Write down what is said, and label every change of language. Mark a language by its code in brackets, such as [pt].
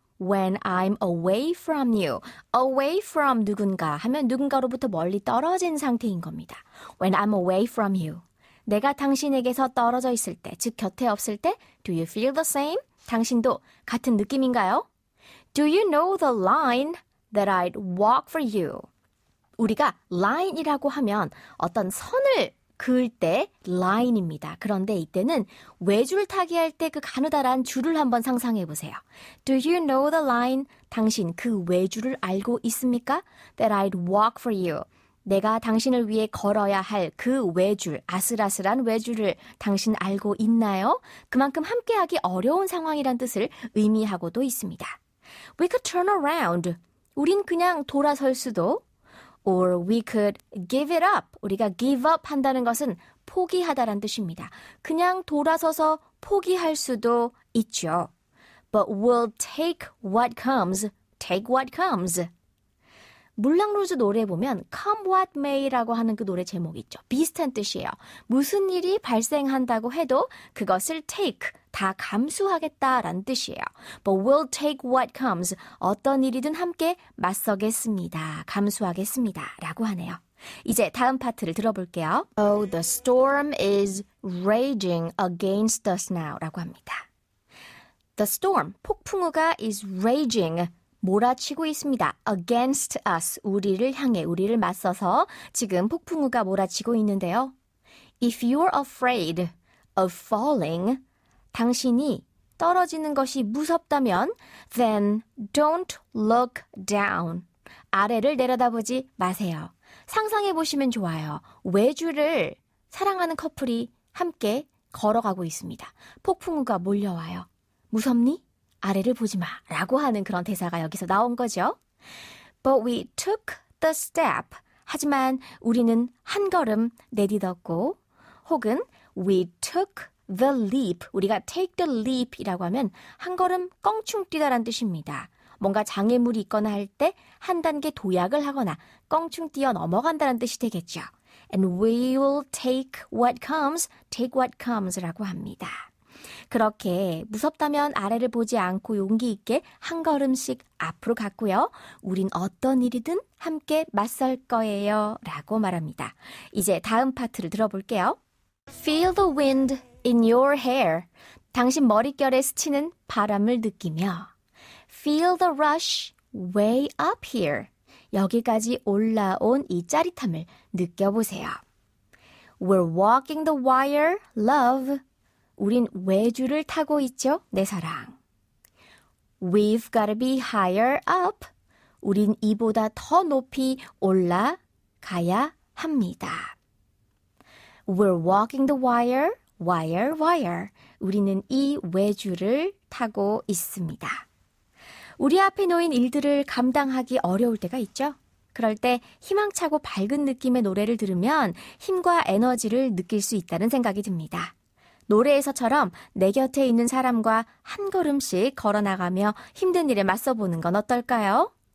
[en] When I'm away from you. [ko] Away from 누군가 하면 누군가로부터 멀리 떨어진 상태인 겁니다. [en] When I'm away from you. [ko] 내가 당신에게서 떨어져 있을 때, 즉 곁에 없을 때, [en] Do you feel the same? [ko] 당신도 같은 느낌인가요? [en] Do you know the line that I'd walk for you? [ko] 우리가 line이라고 하면 어떤 선을 그을 때 line입니다. 그런데 이때는 외줄 타기 할 때 그 가느다란 줄을 한번 상상해 보세요. [en] Do you know the line? [ko] 당신 그 외줄을 알고 있습니까? [en] That I'd walk for you. [ko] 내가 당신을 위해 걸어야 할 그 외줄, 아슬아슬한 외줄을 당신 알고 있나요? 그만큼 함께하기 어려운 상황이란 뜻을 의미하고도 있습니다. [en] We could turn around. [ko] 우린 그냥 돌아설 수도. [en] Or we could give it up. [ko] 우리가 give up 한다는 것은 포기하다란 뜻입니다. 그냥 돌아서서 포기할 수도 있죠. [en] But we'll take what comes. Take what comes. [ko] 물랑루즈 노래 보면 Come What May라고 하는 그 노래 제목 있죠. 비슷한 뜻이에요. 무슨 일이 발생한다고 해도 그것을 take, 다 감수하겠다라는 뜻이에요. [en] But we'll take what comes. [ko] 어떤 일이든 함께 맞서겠습니다. 감수하겠습니다. 라고 하네요. 이제 다음 파트를 들어볼게요. [en] Oh, the storm is raging against us now. [ko] 라고 합니다. [en] The storm, 폭풍우가 is raging. [ko] 몰아치고 있습니다. [en] Against us, [ko] 우리를 향해, 우리를 맞서서 지금 폭풍우가 몰아치고 있는데요. [en] If you're afraid of falling, [ko] 당신이 떨어지는 것이 무섭다면, [en] then don't look down. [ko] 아래를 내려다보지 마세요. 상상해 보시면 좋아요. 외줄을 사랑하는 커플이 함께 걸어가고 있습니다. 폭풍우가 몰려와요. 무섭니? 아래를 보지 마 라고 하는 그런 대사가 여기서 나온 거죠. [en] But we took the step. [ko] 하지만 우리는 한 걸음 내딛었고 혹은 [en] we took the leap. [ko] 우리가 take the leap 이라고 하면 한 걸음 껑충 뛰다란 뜻입니다. 뭔가 장애물이 있거나 할 때 한 단계 도약을 하거나 껑충 뛰어 넘어간다는 뜻이 되겠죠. [en] And we will take what comes. Take what comes [ko] 라고 합니다. 그렇게 무섭다면 아래를 보지 않고 용기 있게 한 걸음씩 앞으로 갔고요. 우린 어떤 일이든 함께 맞설 거예요. 라고 말합니다. 이제 다음 파트를 들어볼게요. [en] Feel the wind in your hair. [ko] 당신 머릿결에 스치는 바람을 느끼며 [en] Feel the rush way up here. [ko] 여기까지 올라온 이 짜릿함을 느껴보세요. [en] We're walking the wire, love. [ko] 우린 외줄을 타고 있죠, 내 사랑. [en] We've gotta be higher up. [ko] 우린 이보다 더 높이 올라가야 합니다. [en] We're walking the wire, wire, wire. [ko] 우리는 이 외줄을 타고 있습니다. 우리 앞에 놓인 일들을 감당하기 어려울 때가 있죠. 그럴 때 희망차고 밝은 느낌의 노래를 들으면 힘과 에너지를 느낄 수 있다는 생각이 듭니다. 노래에서처럼 내 곁에 있는 사람과 한 걸음씩 걸어나가며 힘든 일에 맞서보는 건 어떨까요?